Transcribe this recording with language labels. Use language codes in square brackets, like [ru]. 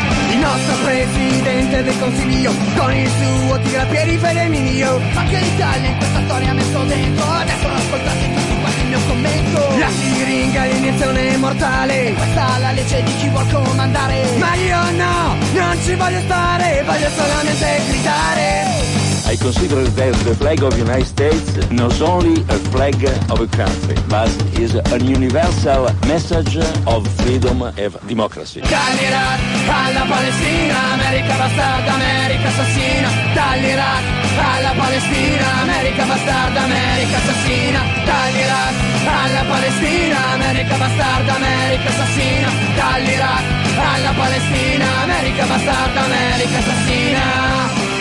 [it] Il nostro presidente del consiglio con il suo tirapiedi femminio. Anche l'Italia in questa storia ha messo dentro. Adesso ascoltate tutti quanti il mio commento. La siringa è l'iniezione mortale, e questa è la legge di chi vuol comandare. Ma io no, non ci voglio stare, voglio solamente gridare. [en] I consider that the flag of the United States not only a flag of a country, but is an universal message of freedom and democracy. [it] Dall'Iraq alla Palestina, America bastarda, America assassina. Dall'Iraq alla Palestina, America bastarda, America assassina. Dall'Iraq alla Palestina, America bastarda, America assassina. Dall'Iraq alla Palestina, America bastarda, America assassina.